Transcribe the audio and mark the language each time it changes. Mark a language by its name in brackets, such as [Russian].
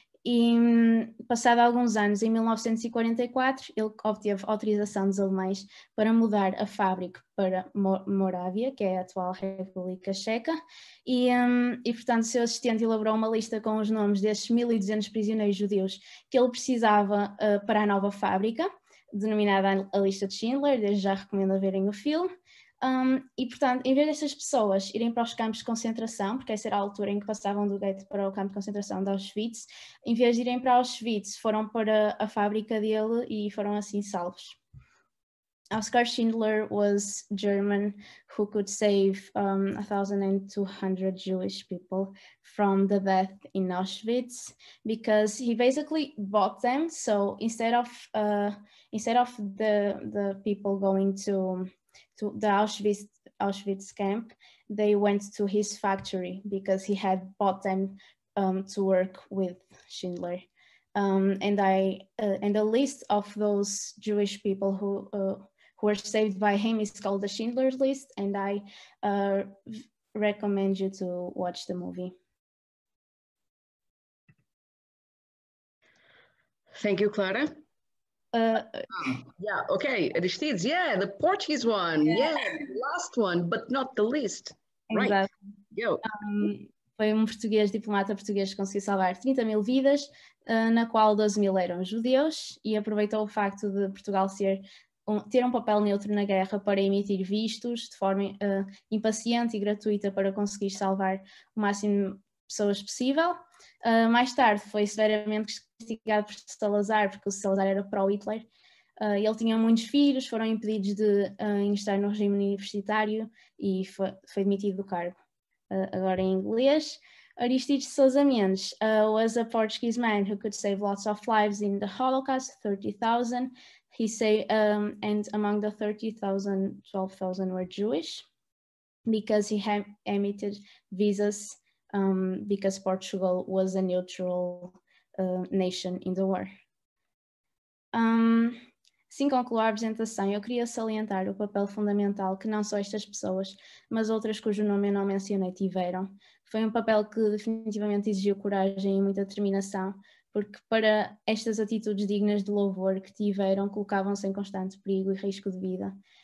[Portuguese] E passado alguns anos, em 1944, ele obteve autorização dos alemães para mudar a fábrica para Morávia, que é a atual República Checa, e portanto seu assistente elaborou uma lista com os nomes desses 1.200 prisioneiros judeus que ele precisava para a nova fábrica, denominada a lista de Schindler. Desde já recomendo a verem o filme. E portanto, em vez dessas pessoas irem para os campos de concentração, porque essa era a altura em que passavam do gueto para o campo de concentração de Auschwitz, em vez de irem para Auschwitz, foram para a fábrica dele e foram assim salvos. [English] Oskar Schindler was German who could save 1,200 Jewish people from the death in Auschwitz, because he basically bought them. So instead of the people going to the Auschwitz camp, they went to his factory because he had bought them to work with Schindler. And the list of those Jewish people who were saved by him is called the Schindler's List, and I recommend you to watch the movie. Thank you, Clara. Yeah, okay, Aristides, yeah, the Portuguese one, yeah, last one, but not the least, exactly. Right? [Portuguese] Foi um português, diplomata português, que conseguiu salvar 30 mil vidas, na qual 12 mil eram judeus, e aproveitou o facto de Portugal ter um papel neutro na guerra para emitir vistos de forma impaciente e gratuita para conseguir salvar o máximo de pessoas possível. Mais tarde foi severamente castigado por Salazar, porque o Salazar era pró-Hitler. Ele tinha muitos filhos, foram impedidos de ingressar no regime universitário e foi demitido do cargo. Agora em inglês, [English] Aristides Sousa Mendes was a Portuguese man who could save lots of lives in the Holocaust, 30,000. He said, and among the 30,000, 12,000 were Jewish, because he had emitted visas, because Portugal was a neutral nation in the war. [Portuguese] Sim, concluo a apresentação. Eu queria salientar o papel fundamental que não só estas pessoas, mas outras cujo nome eu não mencionei, tiveram. Foi um papel que definitivamente exigiu coragem e muita determinação, porque para estas atitudes dignas de louvor que tiveram, colocavam-se em constante perigo e risco de vida.